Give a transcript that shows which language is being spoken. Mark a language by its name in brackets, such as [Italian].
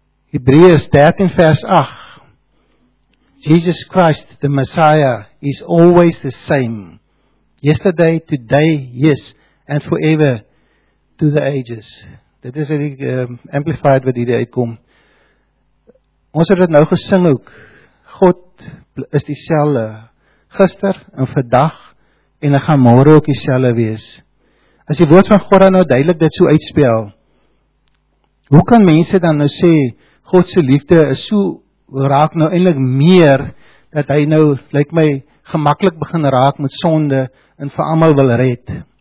[Afrikaans] Hebreërs 13 vers 8, [English] Jesus Christ, the Messiah, is always the same, yesterday, today, yes, and forever, to the ages. [Afrikaans] Dit is die amplified wat hierdie uitkom. Ons het dit nou gesing ook, God is die selle, gister en vandag, en hy gaan môre ook die selle wees. As die woord van God nou duidelik dit so uitspel, hoe kan mense dan nou sê, Godse liefde is so, raak nou eindelijk meer, dat hy nou, lyk my, gemakkelijk begin raak met sonde, en vir allemaal wil red.